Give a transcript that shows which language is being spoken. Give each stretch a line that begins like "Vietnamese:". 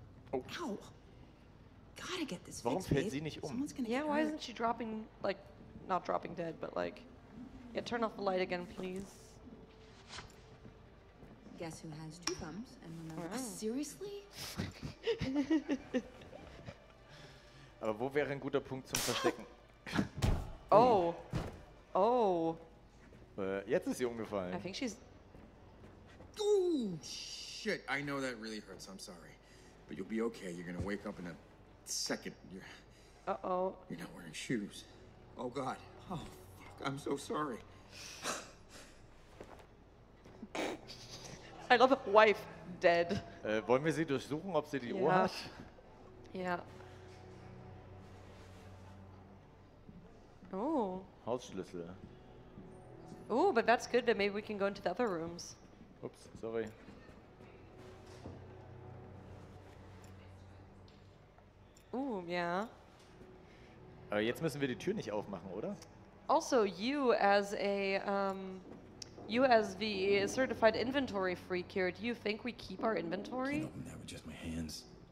English: Oh. Ow! Gotta get this
German: Warum
English: fix,
German: fällt
English: babe?
German: Sie nicht um?
English: Yeah, why isn't she dropping, like, not dropping dead, but like, yeah, turn off the light again, please. Guess who has two thumbs and one other. Seriously?
German: Aber wo wäre ein guter Punkt zum Verstecken? Oh. Oh. Jetzt ist sie umgefallen.
English: I think she's... Ooh, shit, I know that really hurts, I'm sorry. But you'll be okay, you're gonna wake up in a... Second, you're not wearing shoes. Oh God! Oh fuck! I'm so sorry. I love a wife dead.
German: Wollen wir sie durchsuchen, ob sie die Uhr hat? Ja. Oh. Hausschlüssel.
English: Oh, but that's good. Then maybe we can go into the other rooms. Oops, sorry. Ooh, yeah.
German: Aber jetzt müssen wir die Tür nicht aufmachen, oder?
English: Also, you as a you as the certified inventory freak here, do you think we keep our inventory? I can't open that with just my hands.